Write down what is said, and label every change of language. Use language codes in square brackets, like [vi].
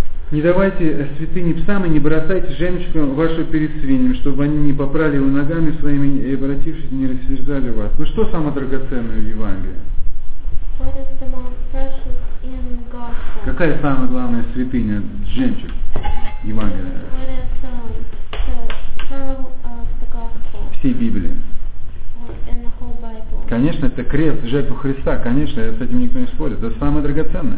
[ru] Не давайте святыне псам и не бросайте жемчугу вашу перед свиньями, чтобы они не попрали его ногами своими и, обратившись, не рассерждали вас. Ну что самое драгоценное в Евангелии? [en] What is the most precious in the gospel? [ru] Какая самая главная святыня, жемчуг Евангелия? [en] What is the pearl of the gospel? [ru] Всей Библии. [en] And the whole Bible. [ru] Конечно, это крест, жертва Христа, конечно, с этим никто не спорит. Это самое драгоценное.